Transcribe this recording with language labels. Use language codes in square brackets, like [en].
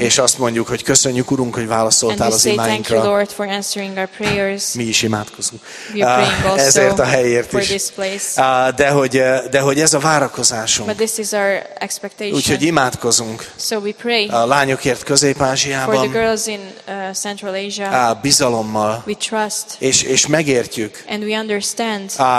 [hu] És azt mondjuk, hogy köszönjük Urunk, hogy válaszoltál az imáinkra. [en] And we say thank you Lord for answering our prayers. [hu] Mi is imádkozunk. [en] We are praying also [hu] ezért a helyért is. [en] For this place. [hu] De hogy ez a várakozásunk. [en] But this is our expectation. [hu] Úgyhogy imádkozunk. [en] So we pray. [hu] A lányokért Közép-Ázsiában. [en] For the girls in Central Asia. [hu] Bizalommal. [en] We trust. [hu] És megértjük. [en] And we understand